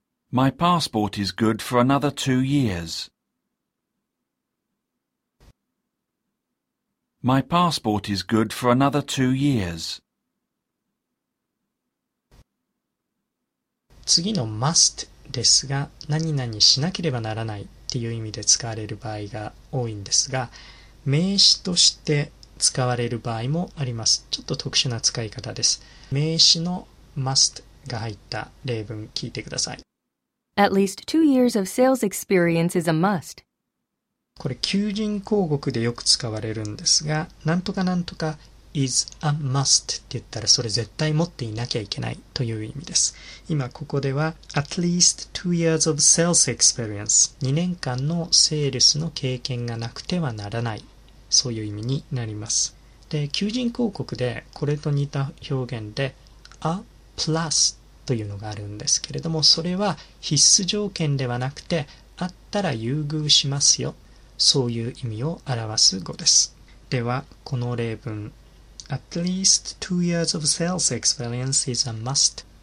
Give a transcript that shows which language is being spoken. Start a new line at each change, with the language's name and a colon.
English: My passport is good for another 2 years. My passport is good for another 2 years.
Japanese: 次の must ですが、何々しなければならないっていう意味で使われる場合が多いんですが、名詞として使われる場合もあります。ちょっと特殊な使い方です。名詞の must が入った例文聞いてください。
English: At least 2 years of sales experience is a must.
Japanese: これ求人広告でよく使われるんですが、なんとかなんとか
English: is a must
Japanese: って言ったら、それ絶対持っていなきゃいけないという意味です。今ここでは
English: at least 2 years of sales experience、
Japanese: 2年間のセールスの経験がなくてはならない、そういう意味になります。で、求人広告でこれと似た表現で a plus というのがあるんですけれども、それは必須条件ではなくて、あったら優遇しますよ、そういう意味を表す語です。では、この例文。
English: At least 2 years of sales experience is a must.